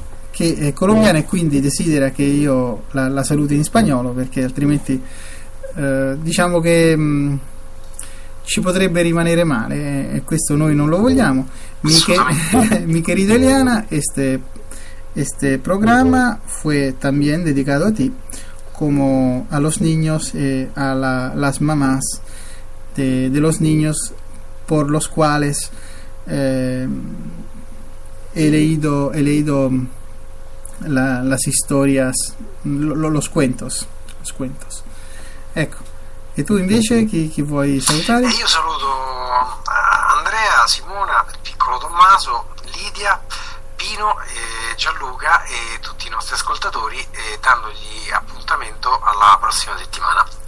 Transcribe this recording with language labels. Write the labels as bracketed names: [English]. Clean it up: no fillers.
[Italian] che è colombiana e quindi desidera che io la saluti in spagnolo, perché altrimenti diciamo che ci potrebbe rimanere male, e questo noi non lo vogliamo. [Spanish] Mi querido Eliana, este programa fue también dedicado a ti, como a los niños y a las mamás de los niños por los cuales he leído las historias, los cuentos. [Italian] Ecco. E tu invece chi vuoi salutare? Io saluto Andrea, Simona, piccolo Tommaso, Lidia, Pino, Gianluca e tutti i nostri ascoltatori, dandogli appuntamento alla prossima settimana.